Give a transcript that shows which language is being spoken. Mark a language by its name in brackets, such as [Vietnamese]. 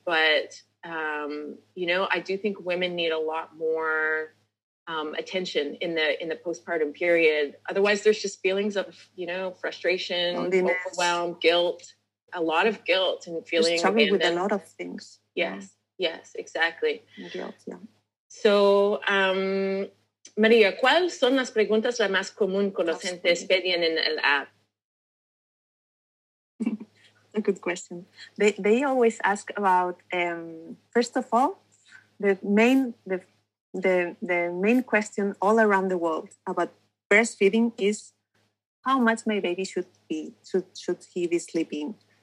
[English] But, you know, I do think women need a lot more attention in the postpartum period. Otherwise, there's just feelings of, you know, frustration, loneliness, overwhelm, guilt, a lot of guilt and feeling. Just struggling with a lot of things. Yes. Yeah. Yes, exactly. Yeah. [Spanish] So, María, ¿cuáles son las preguntas las más comunes que los gentes piden en el app? [English] A good question. They always ask about, first of all, the main question all around the world about breastfeeding is how much my baby should he be sleeping?